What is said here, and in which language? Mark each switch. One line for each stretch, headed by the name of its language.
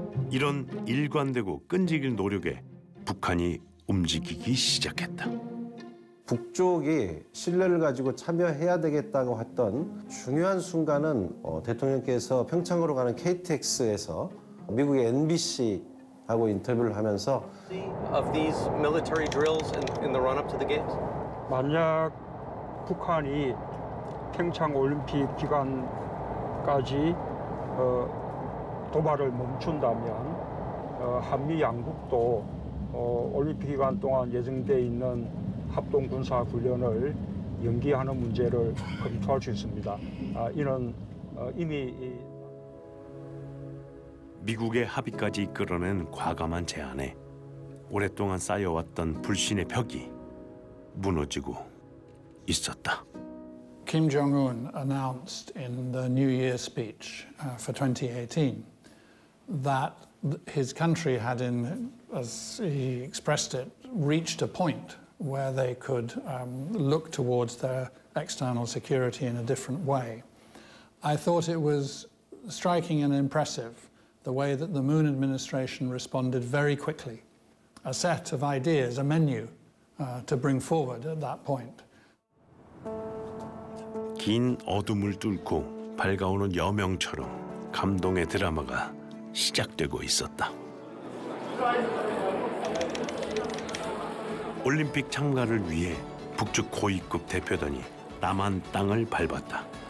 Korean: 이런 일관되고 끈질긴 노력에 북한이 움직이기 시작했다. 북쪽이 신뢰를 가지고 참여해야 되겠다고 했던 중요한 순간은 대통령께서 평창으로 가는 KTX에서 미국의 NBC하고 인터뷰를 하면서
English: of these military drills in the run-up to the games.
Korean: 만약 북한이 평창 올림픽 기간까지 도발을 멈춘다면 한미 양국도 올림픽 기간 동안 예정돼 있는 합동 군사 훈련을 연기하는 문제를 검토할 수 있습니다. 이는 이미 미국의 합의까지 이끌어낸 과감한 제안에 오랫동안 쌓여왔던 불신의 벽이 무너지고 있었다.
English: Kim Jong-un announced in the New Year speech for 2018 that his country had, in, as he expressed it, reached a point where they could look towards their external security in a different way. I thought it was striking and impressive the way that the Moon administration responded very quickly, a set of ideas, a menu to bring forward at that point.
Korean: 긴 어둠을 뚫고 밝아오는 여명처럼 감동의 드라마가 시작되고 있었다. 올림픽 참가를 위해 북측 고위급 대표단이 남한 땅을 밟았다.